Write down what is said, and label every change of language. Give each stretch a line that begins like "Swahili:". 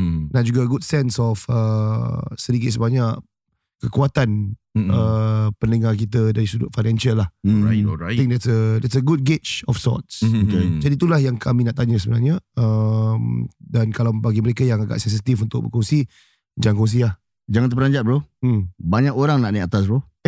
Malay: Dan juga
English: good sense of
Malay: sedikit sebanyak kekuatan pendengar kita dari sudut financial lah.
English: Alright. I think that's a good gauge of sorts.
Malay: Jadi itulah yang kami nak tanya sebenarnya. Dan kalau bagi mereka yang agak sensitif untuk berkongsi, jangan kongsi lah. Jangan terperanjat bro. Banyak orang nak naik atas bro.